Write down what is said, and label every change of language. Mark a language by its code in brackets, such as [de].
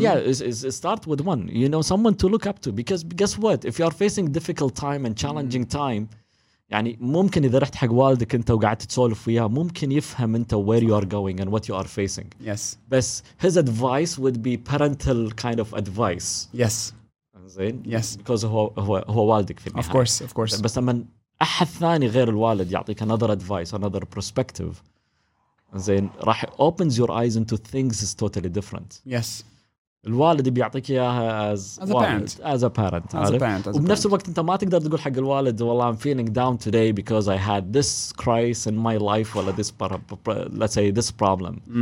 [en] Yeah, start with one. You know, someone to look up to. Because guess what? If you are facing difficult time and challenging time, [ar] يعني ممكن إذا رحت حق والدك أنت وقعدت تسولف وياه, ممكن يفهم أنت [en] where you are going and what you are facing. Yes. [ar] بس [en] his advice would be parental kind of advice. Yes. [ar] زين. [en] Yes. Because [ar] هو والدك في النهاية. [en] Of course. [ar] بس لما أحد ثاني غير الوالد يعطيك [en] another advice, another perspective. And then [ar] راح [en] opens your eyes into things is totally different. Yes. [ar] الوالد بيعطيك اياها [en] as a parent. [ar] وبنفس الوقت انت ما تقدر تقول حق الوالد والله [en] I'm feeling down today because I had this crisis in my life [ar] ولا [en] this let's say this problem.